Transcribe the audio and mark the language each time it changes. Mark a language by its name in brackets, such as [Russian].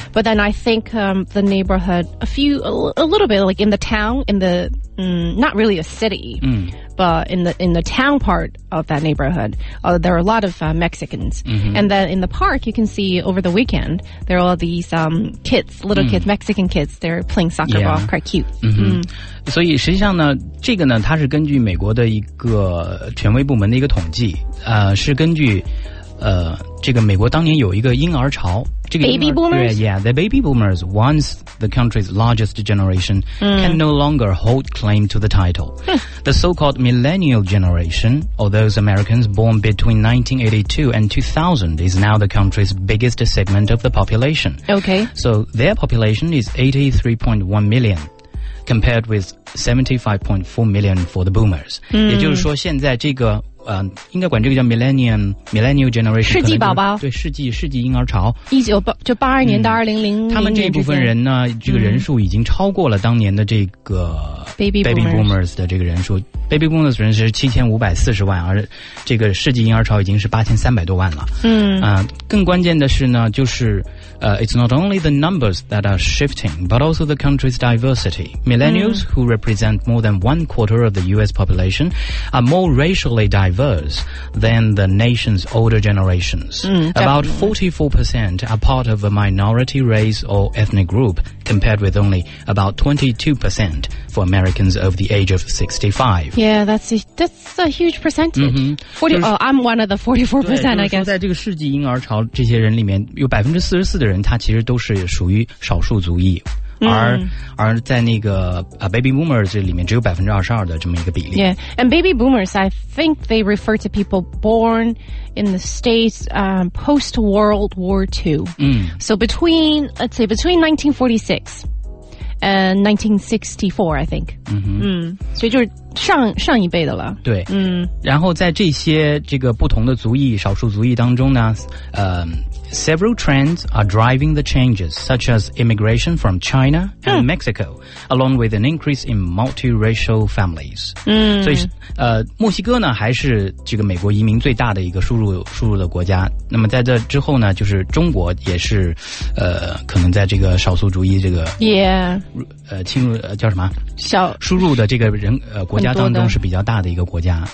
[English] But then I think the neighborhood a little bit like in the town, in the not really a city, but in the town part of that neighborhood, there are a lot of Mexicans. And then in the park you can see over the weekend there are all these kids, little kids, Mexican kids, they're playing soccer ball, quite cute. [Chinese] 所以实际上呢这个呢它是根据美国的一个权威部门的一个统计，是根据这个美国当年有一个婴儿潮，这个 [English] baby boomers? Yeah, the baby boomers, once the country's largest generation, can no longer hold claim to the title. The so-called millennial generation, or those Americans born between 1982 and 2000, is now the country's biggest segment of the population. Okay. So their population is 83.1 million. Compared with 75.4 million for the boomers. [Chinese] 也就是说现在这个应该管这个叫 millennial generation, 世纪宝宝，对，世纪婴儿潮， 1982年到2000年，他们这一部分人呢这个人数已经超过了当年的这个 [English] baby boomers [Chinese] 的这个人数。 baby boomers 人是7540万，而这个世纪婴儿潮已经是8300多万了。更关键的是呢就是 [English] it's not only the numbers that are shifting, but also the country's diversity. Millennials, who represent more than one quarter of the U.S. population, are more racially diverse than the nation's older generations. About 44% are part of a minority race or ethnic group, compared with only about 22% for Americans over the age of 65. Yeah, that's a huge percentage. I'm one of the 44%, I guess. [Chinese] 在这个世纪婴儿潮这些人里面有44%的人他其实都是属于少数族裔，而在那个baby boomers 里面只有22%的这么一个比例。 [English] Yeah, and baby boomers, I think they refer to people born in the States post World War II. So between 1946 and 1964, I think. [Chinese] 所以就是上一辈的了。对，然后在这些这个不同的族裔少数族裔当中呢， [English] Several trends are driving the changes, such as immigration from China and Mexico, along with an increase in multiracial families. [Chinese] 所以墨西哥呢还是这个美国移民最大的一个输入的国家。那么在这之后呢，就是中国也是可能在这个少数主义这个侵入叫什么小输入的这个人国家当中是比较大的一个国家。